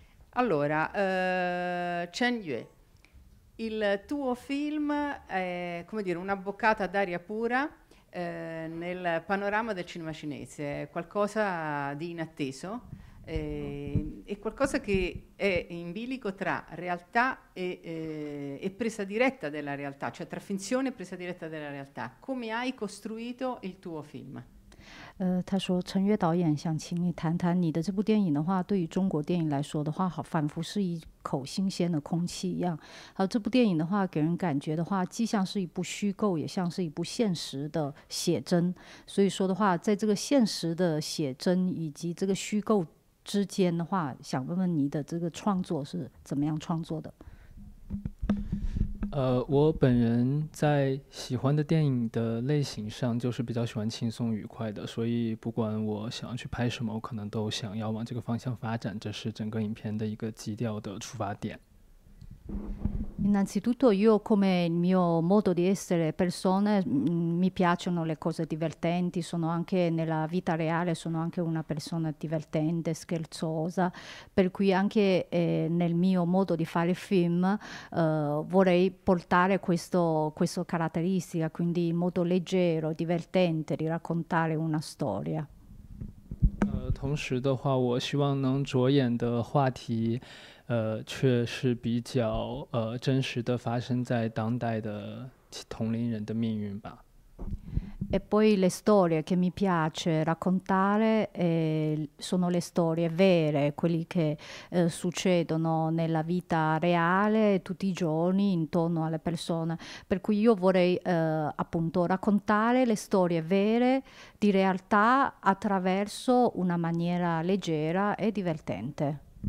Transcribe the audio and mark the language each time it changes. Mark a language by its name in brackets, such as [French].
[Italian] Allora, Chen Yue. Il tuo film è, come dire, una boccata d'aria pura nel panorama del cinema cinese, qualcosa di inatteso e qualcosa che è in bilico tra realtà e presa diretta della realtà, cioè tra finzione e presa diretta della realtà. Come hai costruito il tuo film? [Chinese] 他说：“陈悦导演想请你谈谈你的这部电影的话，对于中国电影来说的话，好，仿佛是一口新鲜的空气一样。还有这部电影的话，给人感觉的话，既像是一部虚构，也像是一部现实的写真。所以说的话，在这个现实的写真以及这个虚构之间的话，想问问你的这个创作是怎么样创作的？” 我本人在喜欢的电影的类型上，就是比较喜欢轻松愉快的，所以不管我想要去拍什么，我可能都想要往这个方向发展，这是整个影片的一个基调的出发点。 [Italian] Innanzitutto io come il mio modo di essere persona mi piacciono le cose divertenti, sono anche nella vita reale sono anche una persona divertente, scherzosa, per cui anche nel mio modo di fare film vorrei portare questa caratteristica, quindi il modo leggero, divertente di raccontare una storia. [Chinese] 同时的话，我希望能着眼的话题，却是比较真实的发生在当代的同龄人的命运吧。 [Italian] E poi le storie che mi piace raccontare sono le storie vere, quelle che succedono nella vita reale tutti i giorni intorno alle persone. Per cui io vorrei appunto raccontare le storie vere di realtà attraverso una maniera leggera e divertente.